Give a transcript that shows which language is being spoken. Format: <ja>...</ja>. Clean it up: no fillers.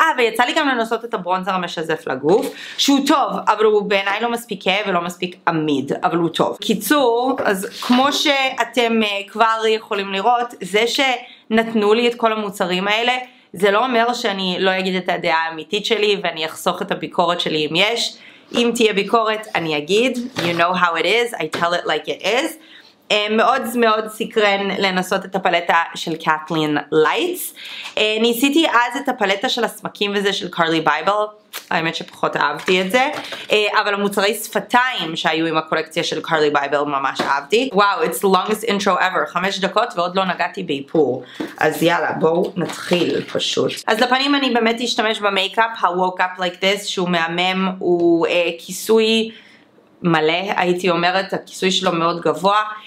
<he>ויצא לי גם לנסות את הברונזר המשזף לגוף, שהוא טוב, אבל הוא בעיניי לא מספיק כהה ולא מספיק עמיד, אבל הוא טוב. קיצור, אז כמו שאתם כבר יכולים לראות, זה שנתנו לי את כל המוצרים האלה, זה לא אומר שאני לא אגיד את הדעה האמיתית שלי, ואני אחסוך את הביקורת שלי אם יש. אם תהיה ביקורת, אני אגיד,</he> <en>you know how it is, I tell it like it is.</en> <he>מאוד מאוד סקרן לנסות את הפלטה של קאטלין לייטס ניסיתי אז את הפלטה של הסמקים וזה של קרלי בייבל האמת שפחות אהבתי את זה אבל המוצרי שפתיים שהיו עם הקולקציה של קרלי בייבל ממש אהבתי וואו,</he> <en>it's the longest intro ever</en> <he>5 דקות ועוד לא נגעתי באיפור אז יאללה, בואו נתחיל פשוט אז לפנים אני באמת אשתמש במייקאפ ה-Woke Up Like This שהוא מהמם, הוא כיסוי מלא, הייתי אומרת, הכיסוי שלו מאוד גבוה.</he>